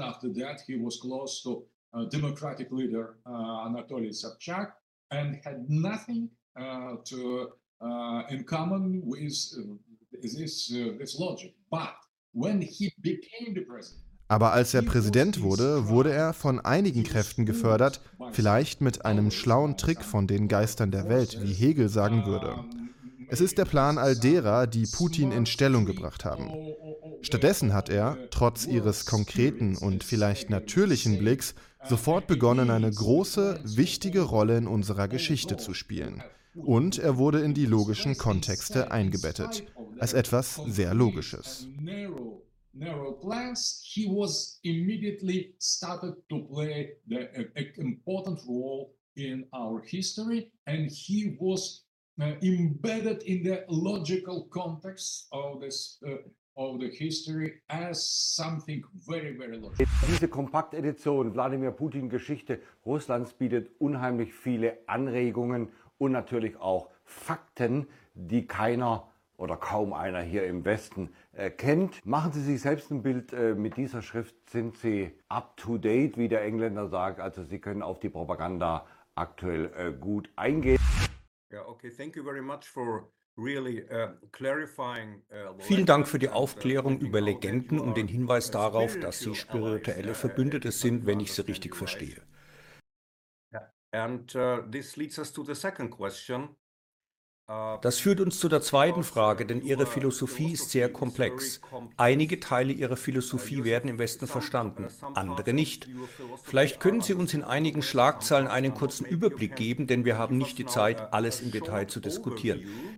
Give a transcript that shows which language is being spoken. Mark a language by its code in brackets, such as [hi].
[en] After that, he was close to democratic leader Anatoly Sobchak and had nothing in common with this logic. But when he became the president. [de] Aber als er Präsident wurde, wurde er von einigen Kräften gefördert, vielleicht mit einem schlauen Trick von den Geistern der Welt, wie Hegel sagen würde. Es ist der Plan all derer, die Putin in Stellung gebracht haben. Stattdessen hat er, trotz ihres konkreten und vielleicht natürlichen Blicks, sofort begonnen, eine große, wichtige Rolle in unserer Geschichte zu spielen. Und er wurde in die logischen Kontexte eingebettet, als etwas sehr Logisches. [en] Narrow plans, he was immediately started to play an important role in our history, and he was embedded in the logical context of this of the history as something very, very logical. [de] Diese Kompaktedition Wladimir Putin Geschichte Russlands bietet unheimlich viele Anregungen und natürlich auch Fakten, die keiner oder kaum einer hier im Westen kennt. Machen Sie sich selbst ein Bild mit dieser Schrift. Sind Sie up to date, wie der Engländer sagt? Also Sie können auf die Propaganda aktuell gut eingehen. [en] Ja, okay, thank you very much for really clarifying. [de] Vielen Dank für die Aufklärung über Legenden und den Hinweis darauf, dass Sie spirituelle Verbündete sind, wenn ich Sie richtig verstehe. [en] And this leads us to the second question. [de] Das führt uns zu der zweiten Frage, denn Ihre Philosophie ist sehr komplex. Einige Teile Ihrer Philosophie werden im Westen verstanden, andere nicht. Vielleicht können Sie uns in einigen Schlagzeilen einen kurzen Überblick geben, denn wir haben nicht die Zeit, alles im Detail zu diskutieren.